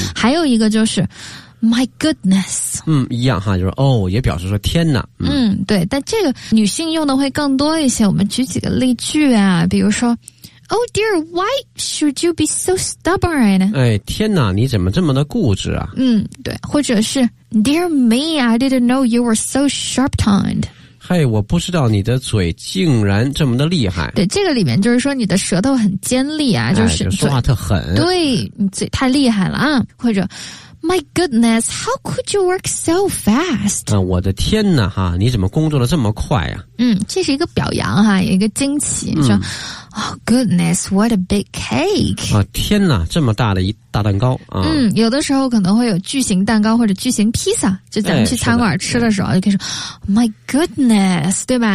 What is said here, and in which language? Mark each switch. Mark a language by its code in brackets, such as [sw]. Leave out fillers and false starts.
[zh] 还有一个就是 [en] My goodness， [zh] 一样哈，就是哦，也表示说天哪。对，但这个女性用的会更多一些。我们举几个例句啊，比如说 ， [en] Oh dear， why should you be so stubborn？ [zh] 哎，天哪，你怎么这么的固执啊？对，或者是 ， [en] Dear me， I didn't know you were so sharp-tongued。 [zh] 嘿，我不知道你的嘴竟然这么的厉害。对，这个里面就是说你的舌头很尖利啊，就是、说话特狠。对，你嘴太厉害了啊，或者。 [en] My goodness, how could you work so fast? [zh] 我的天哪哈，你怎么工作的这么快啊？这是一个表扬哈，一个惊奇，说 [en] Oh goodness, what a big cake! [zh] 天哪，这么大的一大蛋糕啊！有的时候可能会有巨型蛋糕或者巨型披萨，就咱们去餐馆吃的时候，就可以说 [en] My goodness, [zh] 对吧？